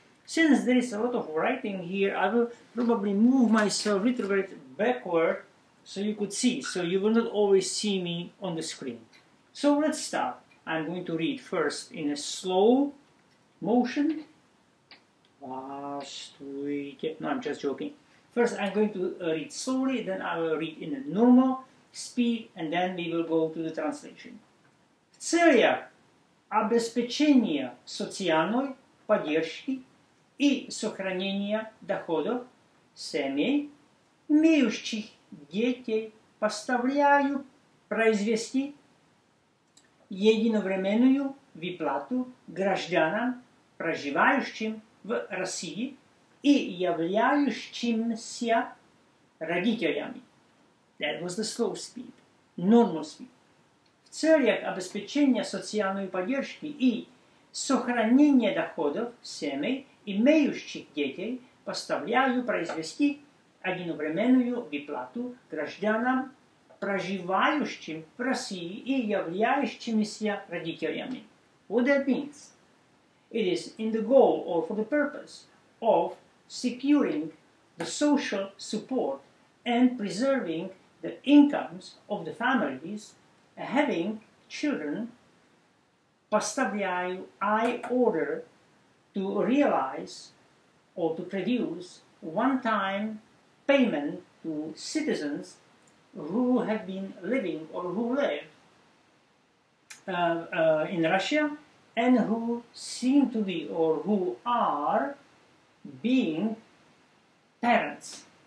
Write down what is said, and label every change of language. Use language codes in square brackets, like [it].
[en] Since there is a lot of writing here, I will probably move myself retrograde backward so you could see, so you will not always see me on the screen. So let's start. I'm going to read first in a slow motion. No, I'm just joking. First I'm going to read slowly, then I will read in a normal speed, and then we will go to the translation. [ru] Целя обеспечения социальной поддержки и сохранения доходов семей, имеющих детей, поставляю произвести единовременную выплату гражданам, проживающим в России и являющимся родителями. [en] That was the slow speed, normal speed. [ru] В целях обеспечения социальной поддержки и сохранения доходов семей, имеющих детей, поставляю произвести единовременную выплату гражданам, проживающим в России и являющимися родителями. [en] What that means? It is in the goal or for the purpose of securing the social support and preserving the incomes of the families having children, [ru] поставляю, [en] I order to realize or to produce one-time payment to citizens who have been living or who live in Russia and who seem to be or who are being parents.